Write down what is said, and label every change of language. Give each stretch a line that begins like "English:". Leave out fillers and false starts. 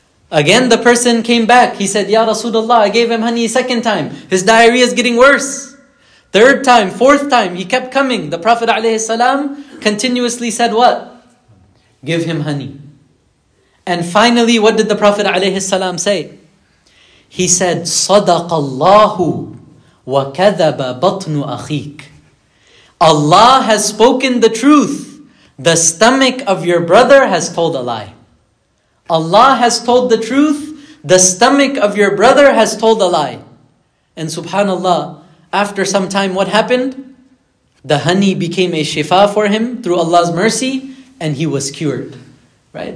English: Again the person came back. He said, Ya Rasulullah, I gave him honey a second time. His diarrhea is getting worse. Third time, fourth time, he kept coming. The Prophet ﷺ continuously said what? Give him honey. And finally, what did the Prophet ﷺ say? He said,
Arabic: صَدَقَ اللَّهُ وَكَذَبَ بَطْنُ أَخِيكَ.
English: Allah has spoken the truth. The stomach of your brother has told a lie. Allah has told the truth. The stomach of your brother has told a lie. And subhanAllah, after some time, what happened? The honey became a shifa for him through Allah's mercy and he was cured. Right?